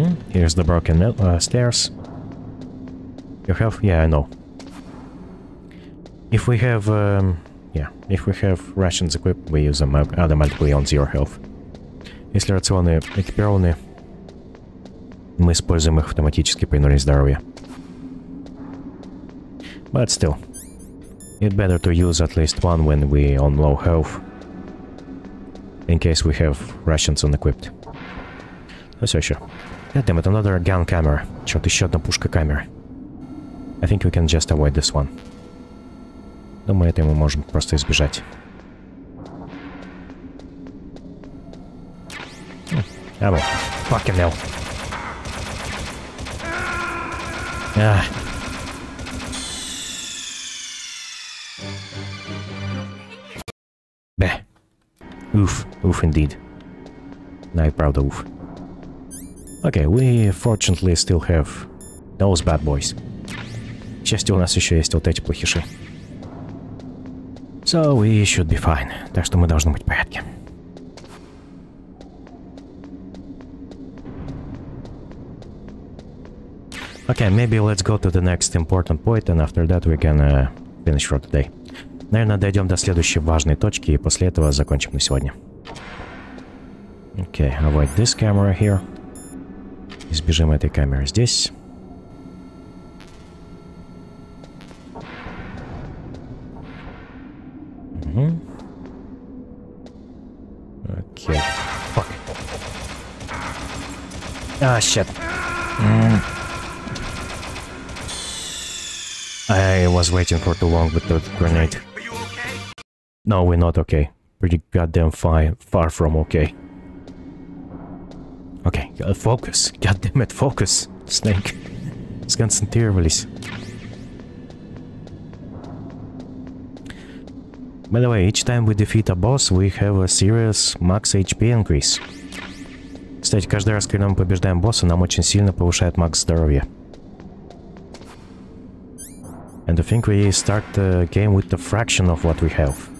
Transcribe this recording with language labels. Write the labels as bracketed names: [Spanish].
[English] Here's the broken stairs. You have? Yeah, I know. If we have, if we have rations equipped, we use them automatically on zero health. [Russian] Если рационы экипированы, мы используем их автоматически при нуле здоровья. [English] But still, it's better to use at least one when we on low health, in case we have rations unequipped. [Russian] Ну все еще. [English] God damn it, another gun camera. [Russian] Черт, еще одна пушка камера. [English] I think we can just avoid this one. [Russian] Думаю, это мы можем просто избежать. [English] Ah, well. Fucking hell. Ah. Bah. Oof. Oof indeed. Now you're proud of oof. Okay, we fortunately still have those bad boys. [Russian] К счастью, у нас еще есть вот эти плохиши. [English] So we should be fine. [Russian] Так что мы должны быть в порядке. [English] Okay, maybe let's go to the next important point and after that we can finish for today. [Russian] Наверное, дойдем до следующей важной точки и после этого закончим на сегодня. [English] Okay, avoid this camera here. [Russian] Избежим этой камеры здесь. [English] Окей. Фак. А, щет. I was waiting for too long with that grenade. No, we're not okay. Pretty goddamn fine. Far from okay. Okay, focus. God damn it, focus, Snake. [Russian] Сконцентрировались. [English] By the way, each time we defeat a boss, we have a serious max HP increase. Кстати, каждый раз, когда мы побеждаем босса, нам очень сильно повышает макс здоровья. And I think we start the game with the fraction of what we have.